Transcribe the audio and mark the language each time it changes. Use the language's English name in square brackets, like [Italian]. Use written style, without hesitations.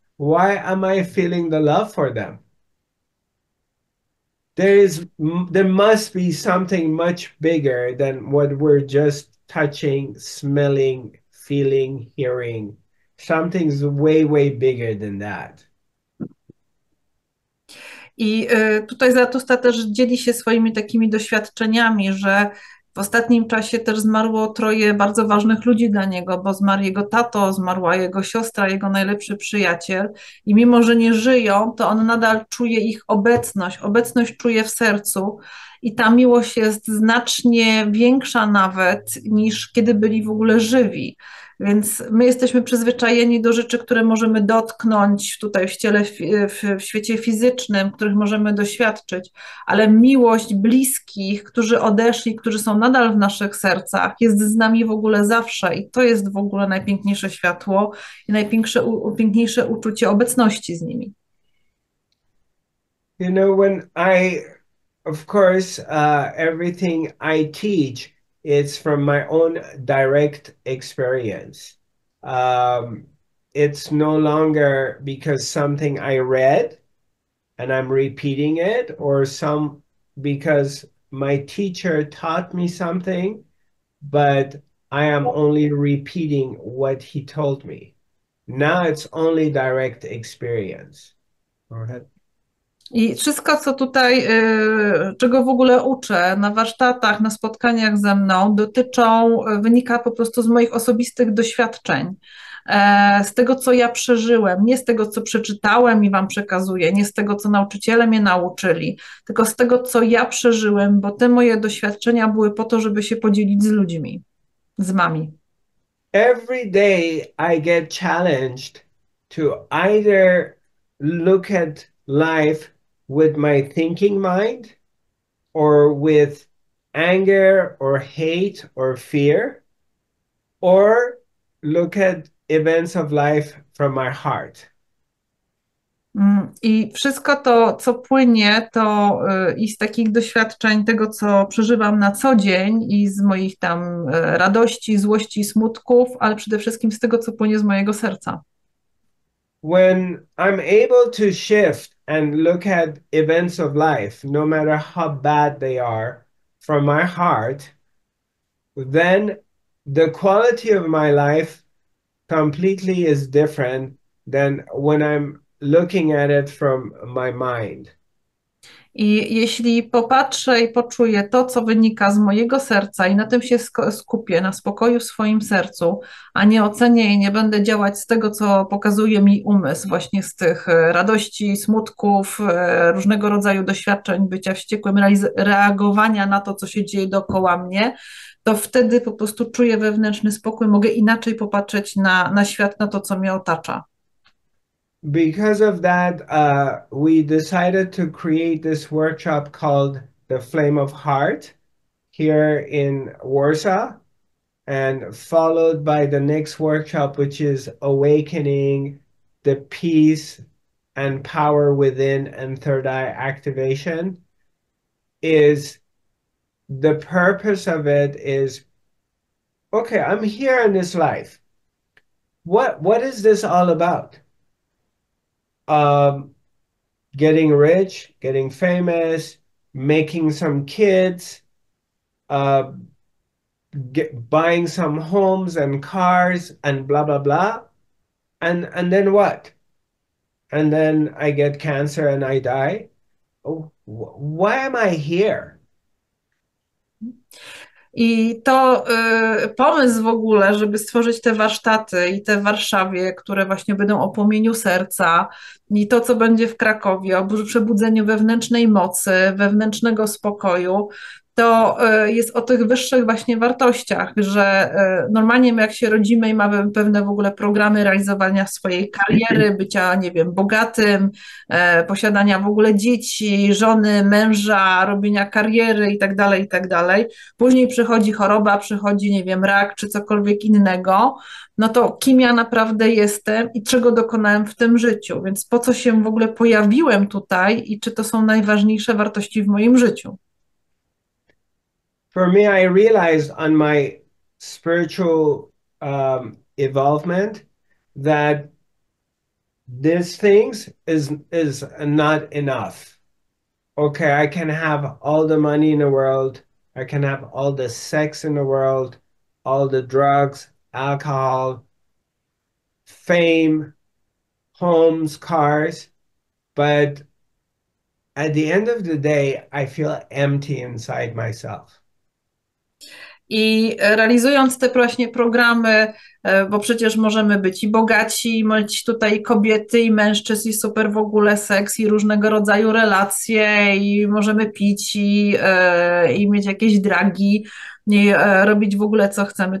[English] Why am I feeling the love for them? There must be something much bigger than what we're just touching, smelling, feeling, hearing. Something's way, way bigger than that. [Polish] I tutaj Zarathustra też dzieli się swoimi takimi doświadczeniami, że w ostatnim czasie też zmarło 3 bardzo ważnych ludzi dla niego, bo zmarł jego tato, zmarła jego siostra, jego najlepszy przyjaciel. I mimo, że nie żyją, to on nadal czuje ich obecność. Obecność czuje w sercu i ta miłość jest znacznie większa nawet niż kiedy byli w ogóle żywi. Więc my jesteśmy przyzwyczajeni do rzeczy, które możemy dotknąć tutaj w ciele, w świecie fizycznym, których możemy doświadczyć, ale miłość bliskich, którzy odeszli, którzy są nadal w naszych sercach, jest z nami w ogóle zawsze i to jest w ogóle najpiękniejsze światło i największe, piękniejsze uczucie obecności z nimi. [English] You know, when I, of course, everything I teach It's from my own direct experience. It's no longer because something I read and I'm repeating it, or some because my teacher taught me something, but I am only repeating what he told me. Now it's only direct experience. Go ahead. [Polish] I wszystko, co tutaj, czego w ogóle uczę na warsztatach, na spotkaniach ze mną, wynika po prostu z moich osobistych doświadczeń, z tego, co ja przeżyłem, nie z tego, co przeczytałem i wam przekazuję, nie z tego, co nauczyciele mnie nauczyli, tylko z tego, co ja przeżyłem, bo te moje doświadczenia były po to, żeby się podzielić z ludźmi, z mami. [English] Every day I get challenged to either look at life with my thinking mind or with anger or hate or fear, or look at events of life from my heart. [Polish] I wszystko to, co płynie, to i z takich doświadczeń tego, co przeżywam na co dzień i z moich tam radości, złości, smutków, ale przede wszystkim z tego, co płynie z mojego serca. [English] When I'm able to shift and look at events of life, no matter how bad they are, from my heart, then the quality of my life completely is different than when I'm looking at it from my mind. [Polish] I jeśli popatrzę i poczuję to, co wynika z mojego serca i na tym się skupię, na spokoju w swoim sercu, a nie ocenię i nie będę działać z tego, co pokazuje mi umysł, właśnie z tych radości, smutków, różnego rodzaju doświadczeń, bycia wściekłym, reagowania na to, co się dzieje dookoła mnie, to wtedy po prostu czuję wewnętrzny spokój, mogę inaczej popatrzeć na świat, na to, co mnie otacza. [English] Because of that, we decided to create this workshop called The Flame of Heart here in Warsaw, and followed by the next workshop, which is Awakening the Peace and Power Within and Third Eye Activation. Is the purpose of it is, okay, I'm here in this life. What is this all about? Getting rich, getting famous, making some kids, buying some homes and cars and blah blah blah. And then what? And then I get cancer and I die. Why am I here? [Polish] I to pomysł w ogóle, żeby stworzyć te warsztaty i te w Warszawie, które właśnie będą o płomieniu serca i to, co będzie w Krakowie, o przebudzeniu wewnętrznej mocy, wewnętrznego spokoju, to jest o tych wyższych właśnie wartościach, że normalnie my jak się rodzimy i mamy pewne w ogóle programy realizowania swojej kariery, bycia, nie wiem, bogatym, posiadania w ogóle dzieci, żony, męża, robienia kariery i tak dalej, i tak dalej. Później przychodzi choroba, przychodzi, nie wiem, rak czy cokolwiek innego. No to kim ja naprawdę jestem i czego dokonałem w tym życiu? Więc po co się w ogóle pojawiłem tutaj i czy to są najważniejsze wartości w moim życiu? [English] For me, I realized on my spiritual evolvement that these things is not enough. Okay, I can have all the money in the world, I can have all the sex in the world, all the drugs, alcohol, fame, homes, cars, but at the end of the day, I feel empty inside myself. [Polish] I realizując te właśnie programy, bo przecież możemy być i bogaci, i mieć tutaj kobiety i mężczyzn, i super w ogóle seks, i różnego rodzaju relacje, i możemy pić, i mieć jakieś dragi, i robić w ogóle co chcemy.